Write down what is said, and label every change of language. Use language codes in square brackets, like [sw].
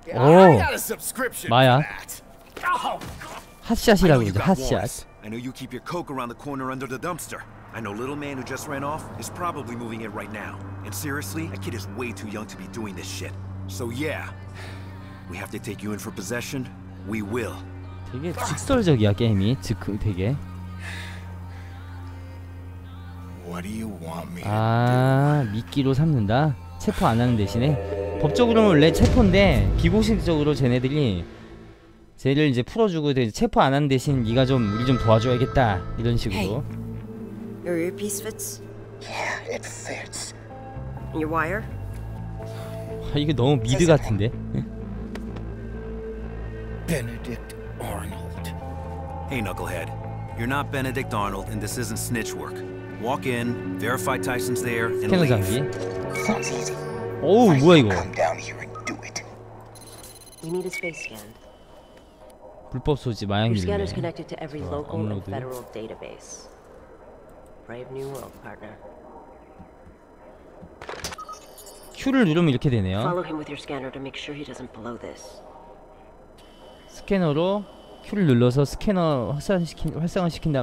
[en] Yeah, I got a subscription for that. Oh, [ko] hotshot이라고 이제, hotshot. [en] I know you keep your coke around the corner under the dumpster. I know little man who just ran off is probably moving it right now. And seriously, that kid is way too young to be doing this shit. So yeah, we have to take you in for possession. We will. [ko] 되게 직설적이야 게임이. 즉흥 되게. [en] What do you want me to do? [ko] 아, 미끼로 삼는다. 체포 안 하는 대신에 법적으로는 원래 체포인데 비공식적으로 쟤네들이 쟤를 이제 풀어주고 이제 체포 안 하는 대신 네가 좀 우리 좀 도와줘야겠다 이런 식으로. [en] Hey. Your earpiece fits? Yeah, it fits. And your wire? [ko] 아, 이게 너무 미드 같은데. [en] Benedict Arnold. Hey, knucklehead. You're not Benedict Arnold, and this isn't snitch work. Walk in, verify Tyson's there, and leave. [ko] 스캐너 장비. 오우, 뭐야 이거. [en] Come down here and do it. We need a space scan. [ko] 불법 소지 마약이네. [en] Your scanner's connected to every local and federal database. Brave New World, partner. [ko] Q를 누르면 이렇게 되네요. [en] Follow him with your scanner to make sure he doesn't blow this. [ko] 스캐너로 Q를 눌러서 스캐너 활성화시킨다.